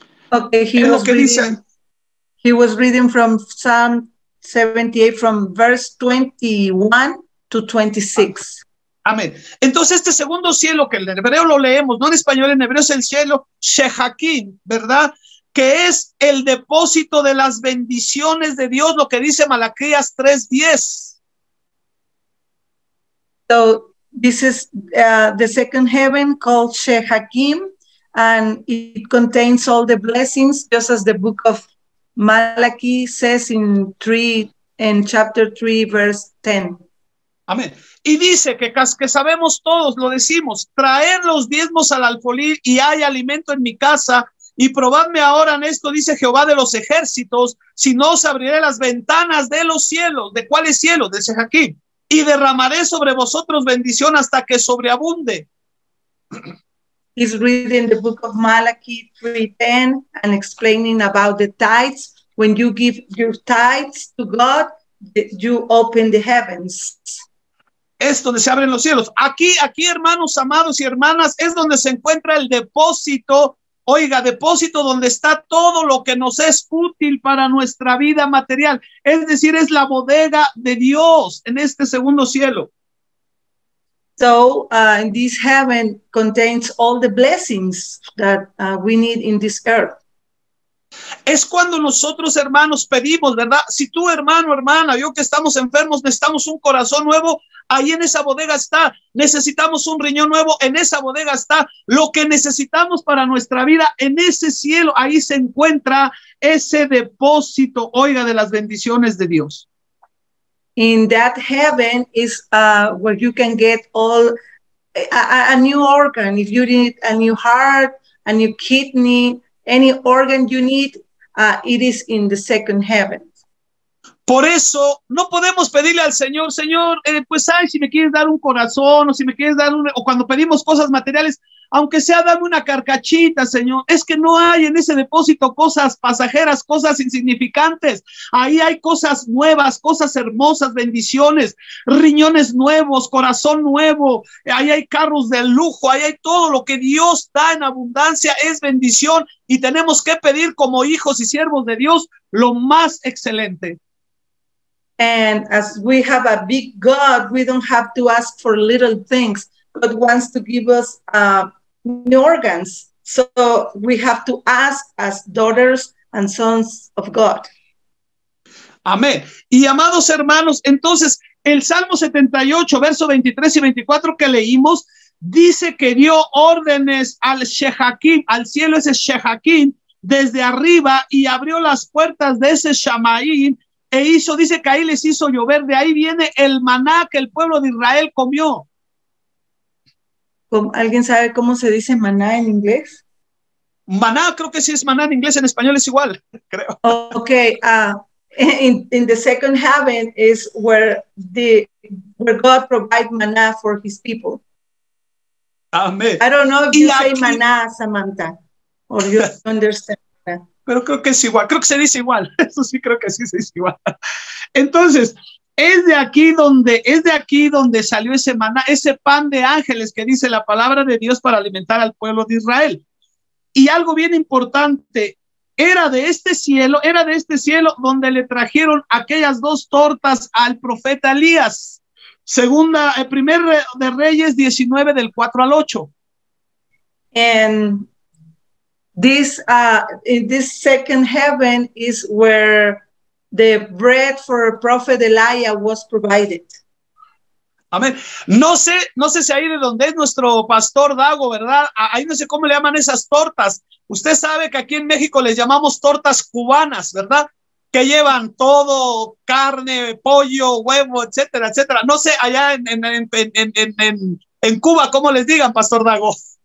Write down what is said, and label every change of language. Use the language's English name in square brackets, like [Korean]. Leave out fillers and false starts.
[English] Okay, he was reading from Psalm 78, from verse 21 to 26. [Spanish] Amén. Entonces, este segundo cielo, que en hebreo lo leemos, no en español, en hebreo es el cielo Shehakim, ¿verdad? Que es el depósito de las bendiciones de Dios, lo que dice Malaquías 3:10. [English] So, this is the second heaven called Shehakim, and it contains all the blessings, just as the book of Malachi says in chapter 3, verse 10. [Spanish] Amén. Y dice que sabemos todos, lo decimos, traer los diezmos al alfolí y hay alimento en mi casa y probadme ahora en esto, dice Jehová de los ejércitos, si no os abriré las ventanas de los cielos. ¿De cuáles cielos? De Shehakim. Y derramaré sobre vosotros bendición hasta que sobreabunde. [English] He's reading the book of Malachi 3:10 and explaining about the tithes. When you give your tithes to God, you open the heavens. [Spanish] Es donde se abren los cielos. Aquí, hermanos amados y hermanas, es donde se encuentra el depósito oiga, depósito donde está todo lo que nos es útil para nuestra vida material. Es decir, es la bodega de Dios en este segundo cielo. [English] So, this heaven contains all the blessings that we need in this earth. [Spanish] Es cuando nosotros, hermanos, pedimos, ¿verdad? Si tú, hermano, hermana, yo que estamos enfermos, necesitamos un corazón nuevo, ahí en esa bodega está. Necesitamos un riñón nuevo, en esa bodega está. Lo que necesitamos para nuestra vida, en ese cielo, ahí se encuentra ese depósito, oiga, de las bendiciones de Dios. [English] In that heaven is where you can get all a new organ. If you need a new heart, a new kidney, any organ you need, it is in the second heaven. [Spanish] Por eso no podemos pedirle al Señor, Señor, pues ay, si me quieres dar un corazón o si me quieres dar un, o cuando pedimos cosas materiales, aunque sea dame una carcachita, Señor, es que no hay en ese depósito cosas pasajeras, cosas insignificantes. Ahí hay cosas nuevas, cosas hermosas, bendiciones, riñones nuevos, corazón nuevo. Ahí hay carros de lujo, ahí hay todo lo que Dios da en abundancia, es bendición, y tenemos que pedir como hijos y siervos de Dios lo más excelente. [English] And as we have a big God, we don't have to ask for little things. God wants to give us new organs. So we have to ask as daughters and sons of God. [Spanish] Amén. Y amados hermanos, entonces el Salmo 78, verso 23 y 24 que leímos, dice que dio órdenes al Shehakim, al cielo ese Shehakim, desde arriba, y abrió las puertas de ese Shamaim, e hizo, dice que ahí les hizo llover. De ahí viene el maná que el pueblo de Israel comió. ¿Alguien sabe cómo se dice maná en inglés? Maná, creo que sí es maná en inglés, en español es igual, creo. [English] Ok, in the second heaven is where God provides maná for his people. [Spanish] Amén. [English] I don't know if you say maná, Samantha, or you understand. [Spanish] Pero creo que es igual, creo que se dice igual, eso sí, creo que sí se dice igual. Entonces, es de aquí donde salió ese maná, ese pan de ángeles que dice la palabra de Dios para alimentar al pueblo de Israel. Y algo bien importante, era de este cielo donde le trajeron aquellas dos tortas al profeta Elías, primer de Reyes 19 del 4 al 8. [English] This second heaven is where the bread for Prophet Elijah was provided. [Spanish] Amén. No sé si ahí de donde es nuestro pastor Dago, ¿verdad? Ahí no sé cómo le llaman esas tortas. Usted sabe que aquí en México les llamamos tortas cubanas, ¿verdad? Que llevan todo, carne, pollo, huevo, etcétera, etcétera. No sé allá en Cuba cómo les digan, pastor Dago.